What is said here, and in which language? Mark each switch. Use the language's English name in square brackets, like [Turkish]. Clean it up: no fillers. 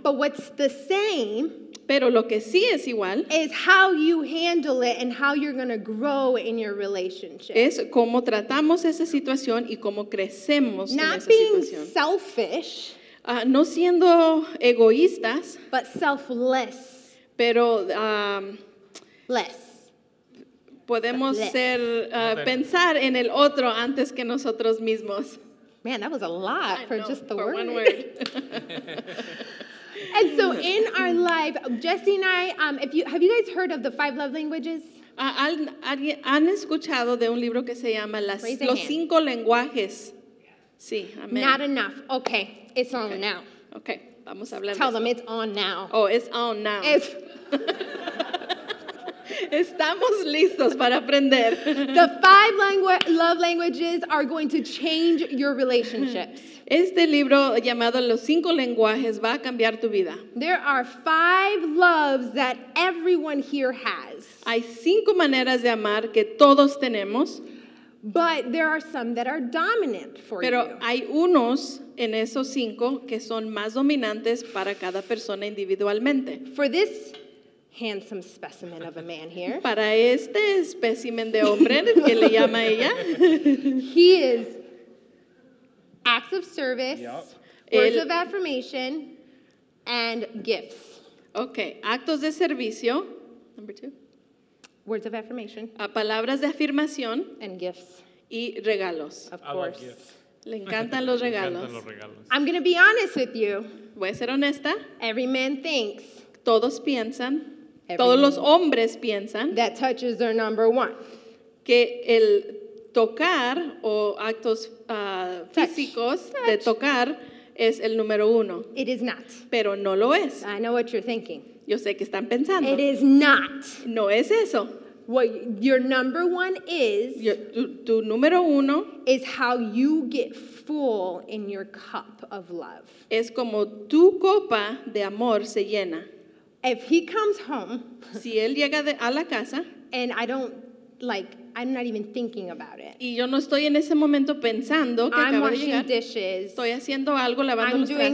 [English] But what's the same, [Spanish] pero lo que sí es igual [English] is how you handle it and how you're going to grow in your relationship. [Spanish] Es cómo tratamos esa situación y cómo crecemos [English] not [Spanish] en esa [English] being [Spanish] situación. [English] Selfish, [Spanish] no siendo egoístas, [English] but selfless. [Spanish] Pero [English] less. [Spanish] Podemos ser pensar en el otro antes que nosotros mismos. [English] Man, that was a lot for just the for word. One word. And so in our life, Jesse and I, have you guys heard of the five love languages? [Spanish] ¿Han escuchado de un libro que se llama Los Cinco Lenguajes? Sí, amén. [English] Not enough. Okay, it's on okay. Now. [Spanish] Okay, vamos a hablar [English] tell [Spanish] de [English] them it's on now. Oh, it's on now. [Spanish] Estamos listos para aprender. [English] The five love languages are going to change your relationships. [Spanish] Este libro llamado Los Cinco Lenguajes va a cambiar tu vida. [English] There are five loves that everyone here has. [Spanish] Hay cinco maneras de amar que todos tenemos. [English] But there are some that are dominant for [Spanish] pero [English] you. [Spanish] Pero hay unos en esos cinco que son más dominantes para cada persona individualmente. [English] For this handsome specimen of a man here. [Spanish] Para este espécimen de hombre que le llama ella. [English] He is acts of service, yep. Words of affirmation, and gifts. [Spanish] Okay, actos de servicio. [English] Number two. Words of affirmation. [Spanish] A palabras de afirmación. [English] And gifts. [Spanish] Y regalos. [English] Of course. I love gifts. [Spanish] Le encantan los regalos. [English] I'm going to be honest with you. [Spanish] Voy a ser honesta. [English] Every man thinks. [Spanish] Todos piensan. Todos los hombres piensan [English] that touches their number one. [Spanish] Que el tocar o actos físicos de tocar es el número uno. [English] It is not. [Spanish] Pero no lo es. [English] I know what you're thinking. [Spanish] Yo sé que están pensando. [English] It is not. [Spanish] No es eso. [English] What your number one is, [Spanish] tu número uno [English] is how you get full in your cup of love. [Spanish] Es como tu copa de amor se llena. [English] If he comes home, [Spanish] si él llega a la casa, [English] and I don't like I'm not even thinking about it. [Spanish] Y yo no estoy en ese momento pensando que [English] I'm washing dishes. [Spanish] Estoy haciendo algo, lavando [English] I'm [Spanish] los [English] doing